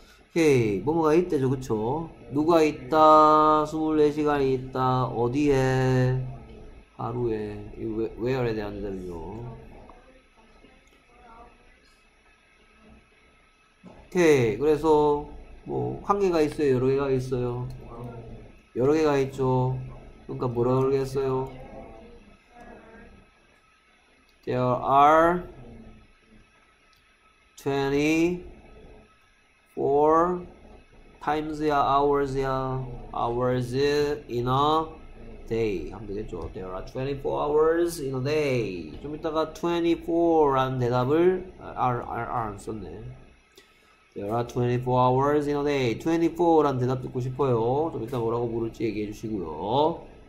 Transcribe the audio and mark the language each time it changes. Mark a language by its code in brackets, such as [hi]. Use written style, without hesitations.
[ko] 오케이, 뭐가 있대죠, 그쵸? 누가 있다, 24시간이 있다, 어디에, 하루에, where에 대한 대답이죠. 오케이, 그래서, 뭐, 한 개가 있어요, 여러 개가 있어요. 여러 개가 있죠. 그러니까 뭐라 그러겠어요? [en] There are 24 times a hours a hours in a day. [ko] 하면 되겠죠. [en] There are 24 hours in a day. [ko] 좀 이따가 24라는 대답을 R 안 썼네. [en] There are 24 hours in a day. [ko] 24라는 대답 듣고 싶어요. 좀 이따 뭐라고 부를지 얘기해 주시고요.